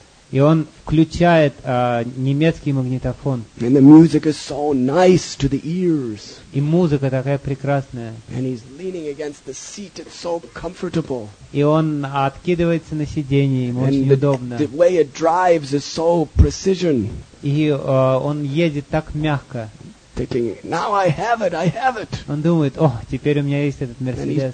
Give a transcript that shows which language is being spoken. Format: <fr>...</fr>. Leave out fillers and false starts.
<ru>И он включает немецкий магнитофон.</ru> <en>And the music is so nice to the ears.</en> <ru>И музыка такая прекрасная.</ru> <en>And he's leaning against the seat; it's so comfortable.</en> <ru>И он откидывается на сиденье, ему очень удобно.</ru> <en>And the way it drives is so precision.</en> <ru>И он едет так мягко.</ru> <en>Thinking, now I have it, I have it.</en> <ru>Он думает, о, теперь у меня есть этот Мерседес.</ru>